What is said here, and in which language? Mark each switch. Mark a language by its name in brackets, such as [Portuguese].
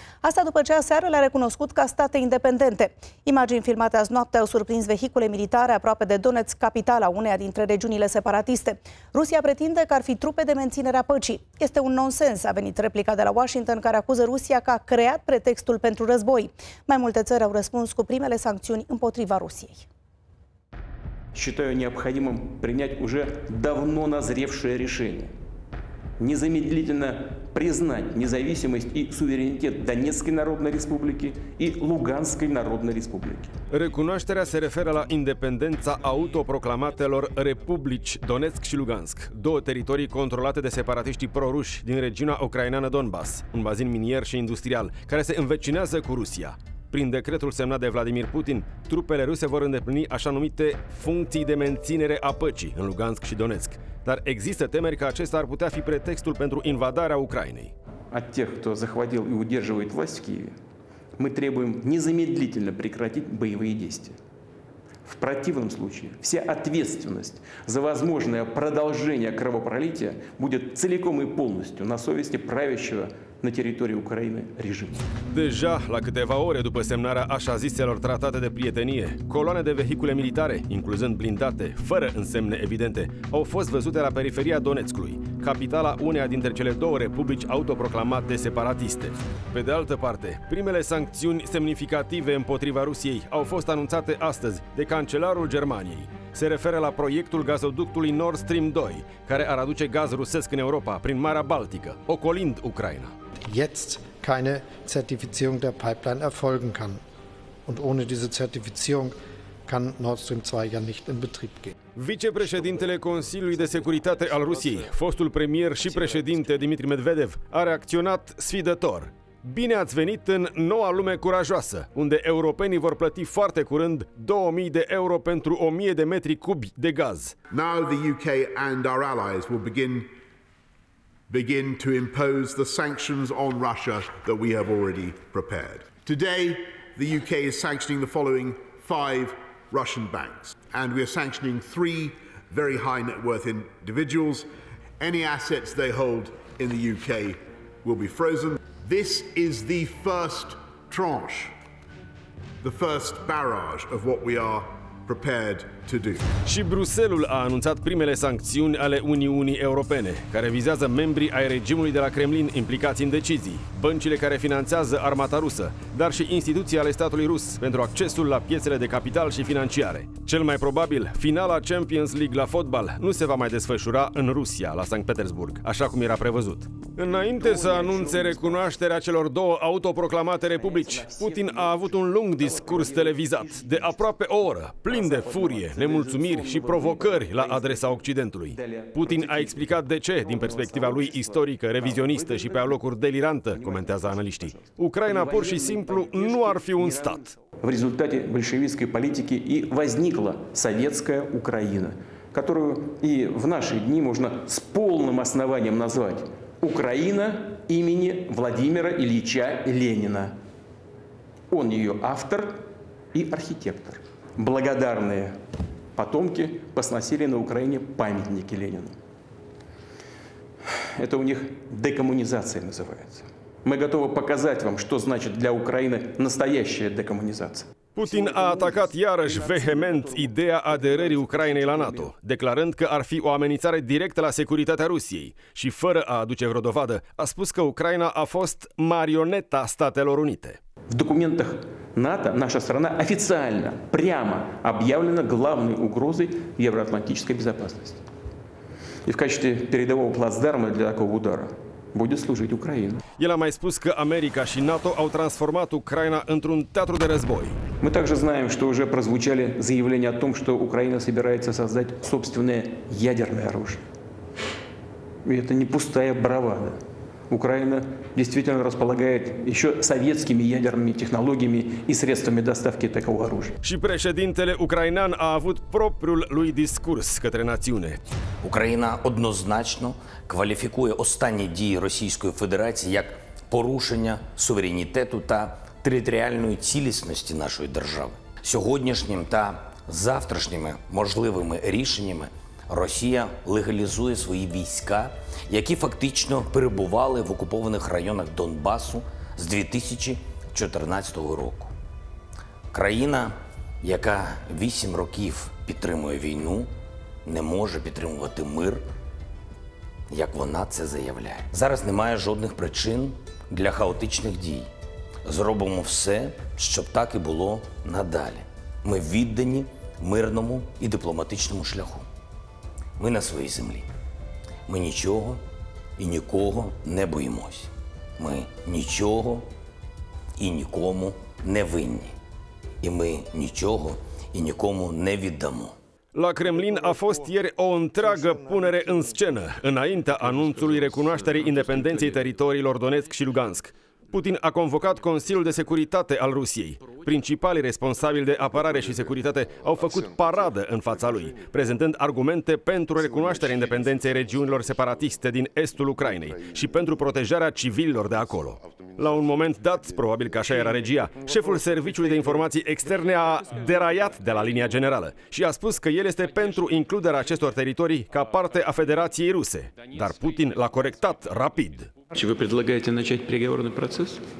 [Romanian] Asta după ce aseară le-a recunoscut ca state independente. Imagini filmate azi noapte au surprins vehicule militare aproape de Donetsk, capitala uneia dintre regiunile separatiste. Rusia pretinde că ar fi trupe de menținere a păcii. Este un nonsens, a venit replica de la Washington, care acuză Rusia că a creat pretextul pentru război. Mai multe țări au răspuns cu primele sancțiuni împotriva Rusiei. [Russian] Считаю необходимым принять уже давно назревшее решение. Незамедлительно признать независимость и суверенитет Донецкой Народной Республики и Луганской Народной Республики. [Romanian] Recunoașterea se referă la independența autoproclamatelor republici Donetsk și Lugansk, două teritorii controlate de separatiștii proruși din regiunea ucraineană Donbass, un bazin minier și industrial, care se învecinează cu Rusia. Prin decretul semnat de Vladimir Putin, trupele ruse vor îndeplini așa numite funcții de menținere a păcii în Lugansk și Donetsk. Dar există temeri că acesta ar putea fi pretextul pentru invadarea Ucrainei. [Russian] От тех, кто захватил и удерживает власть в Киеве, мы требуем незамедлительно прекратить боевые действия. В противном случае вся ответственность за возможное продолжение кровопролития будет целиком и полностью на совести правящего на территории Украины режим. [Romanian] Deja la câteva ore după semnarea așa ziselor tratate de prietenie, coloane de vehicule militare, incluzând blindate, fără însemne evidente, au fost văzute la periferia Donețcului, capitala uneia dintre cele două republici autoproclamate separatiste. Pe de altă parte, primele sancțiuni semnificative împotriva Rusiei au fost anunțate astăzi de cancelarul Germaniei. Se referă la proiectul gazoductului Nord Stream 2, care ar aduce gaz rusesc în Europa prin Marea Baltică, ocolind Ucraina. [German] Jetzt keine Zertifizierung der Pipeline erfolgen kann. Und ohne diese Zertifizierung kann Nord Stream 2 ja nicht in Betrieb gehen. [Romanian] Vicepreședintele Consiliului de Securitate al Rusiei, fostul premier și președinte Dmitri Medvedev, a reacționat sfidător. Bine ați venit în noua lume curajoasă, unde europenii vor plăti foarte curând 2000 de euro pentru 1000 de metri cubi de gaz. [English] Now the UK and our allies will begin to impose the sanctions on Russia that we have already prepared. Today, the UK is sanctioning the following 5 Russian banks, and we are sanctioning 3 very high net worth individuals. Any assets they hold in the UK will be frozen. This is the first tranche, the first barrage of what we are prepared to do. [Romanian] Și Bruxelles a anunțat primele sancțiuni ale Uniunii Europene, care vizează membrii ai regimului de la Kremlin implicați în decizii, băncile care finanțează armata rusă, dar și instituții ale statului rus pentru accesul la piețele de capital și financiare. Cel mai probabil, finala Champions League la fotbal nu se va mai desfășura în Rusia, la Sankt Petersburg, așa cum era prevăzut. Înainte să anunțe recunoașterea celor două autoproclamate republici, Putin a avut un lung discurs televizat, de aproape o oră, plin de furie, nemulțumiri și provocări la adresa Occidentului. Putin a explicat de ce, din perspectiva lui istorică, revizionistă și pe alocuri delirantă, comentează analiștii, Ucraina pur și simplu nu ar fi un stat. [Russian] В результате большевистской политики и возникла советская Украина, которую и в наши дни можно с полным основанием назвать Украина имени Владимира Ильича Ленина. Он ее автор и архитектор. Благодарные потомки посносили на Украине памятники Ленину. Это у них декоммунизация называется. Мы готовы показать вам, что значит для Украины настоящая декоммунизация. [Romanian] Putin a atacat iarăși vehement ideea aderării Ucrainei la NATO, declarând că ar fi o amenințare directă la securitatea Rusiei și, fără a aduce vreo dovadă, a spus că Ucraina a fost marioneta Statelor Unite. [Russian] В документах НАТО наша страна официально, прямо объявлена главной угрозой евроатлантической безопасности. И в качестве передового плацдарма для такого удара будет служить Украине. [Romanian] El a mai spus că America și NATO au transformat Ucraina într-un teatru de război. [Russian] Мы также знаем, что уже прозвучали заявления о том, что Украина собирается создать собственное ядерное оружие. И это не пустая бравада. Украина действительно располагает еще советскими ядерными технологиями и средствами доставки такого оружия. [Romanian] Și președintele ucrainean a avut propriul lui discurs către națiune. [Ukrainian] Украина однозначно квалифікує останні дії Російської Федерації як порушення суверенітету та територіальної цілісності нашої держави. Сьогоднішнім та завтрашніми можливими рішеннями Росія легалізує свої війська, які фактично перебували в окупованих районах Донбасу з 2014 року. Країна, яка 8 років підтримує війну, не може підтримувати мир, як вона це заявляє. Зараз немає жодних причин для хаотичних дій. Зробимо все, щоб так і було надалі. Ми віддані мирному і дипломатичному шляху. Ми на своїй землі. Ми нічого і нікого не боїмось. Ми нічого і нікому не винні. І ми нічого і нікому не віддамо. [Romanian] La Kremlin a fost ieri o întreagă punere în scenă, înaintea anunțului recunoașterii independenței teritoriilor Donetsk și Lugansk. Putin a convocat Consiliul de Securitate al Rusiei. Principalii responsabili de apărare și securitate au făcut paradă în fața lui, prezentând argumente pentru recunoașterea independenței regiunilor separatiste din estul Ucrainei și pentru protejarea civililor de acolo. La un moment dat, probabil că așa era regia, șeful Serviciului de Informații Externe a deraiat de la linia generală și a spus că el este pentru includerea acestor teritorii ca parte a Federației Ruse. Dar Putin l-a corectat rapid. [Ukrainian] Чи ви [Russian] предлагаете начать переговорный процесс?